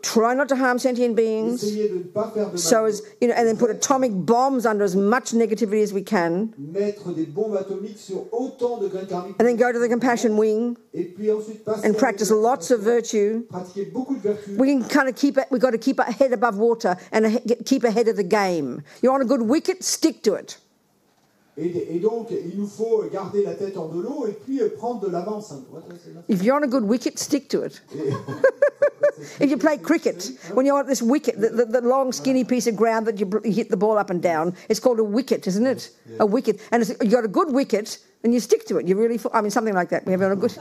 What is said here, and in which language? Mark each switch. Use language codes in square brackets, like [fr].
[en] try not to harm sentient beings, and then put atomic bombs under as much negativity as we can, [fr] mettre des bombes atomiques sur autant de graines karmiques, [en] and then go to the compassion wing, [fr] et puis ensuite passer [en] and practice lots of virtue. [fr] Pratiquer beaucoup de vertus. [en] We can kind of keep it. We've got to keep our head above water and keep ahead of the game. You're on a good wicket, stick to it. [fr] Et donc, il nous faut garder la tête hors de l'eau et puis prendre de l'avance. [en] If you're on a good wicket, stick to it. If you play cricket, when you're on this wicket, the long, skinny piece of ground that you hit the ball up and down, it's called a wicket, isn't it? Yes. A wicket. And it's, you've got a good wicket and you stick to it. You really, I mean, something like that. We have a good...